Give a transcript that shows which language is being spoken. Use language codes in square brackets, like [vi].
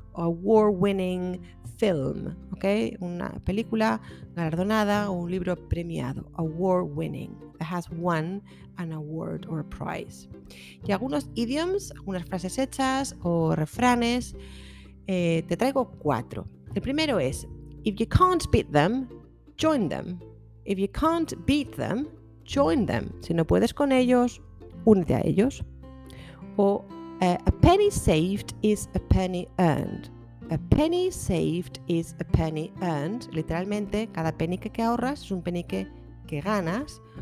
[en] Award-winning film. [es] ¿Ok? Una película galardonada o un libro premiado. [en] Award-winning. Has won an award or a prize. [es] Y algunos idioms, algunas frases hechas o refranes, te traigo cuatro. El primero es: [en] if you can't beat them, join them. If you can't beat them, join them. [es] Si no puedes con ellos, únete a ellos. [en] O a penny saved is a penny earned. A penny saved is a penny earned. [es] Literalmente, cada penique que ahorras es un penique que ganas.